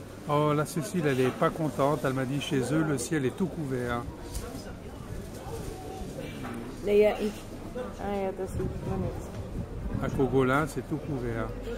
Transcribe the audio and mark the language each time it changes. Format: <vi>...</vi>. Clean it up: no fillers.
<fr>Oh, la Cécile, elle est pas contente. Elle m'a dit chez eux, le ciel est tout couvert.</fr> <de>Ah ja, das sieht man jetzt.</de> <fr>A Kogolin, c'est tout couvert.</fr>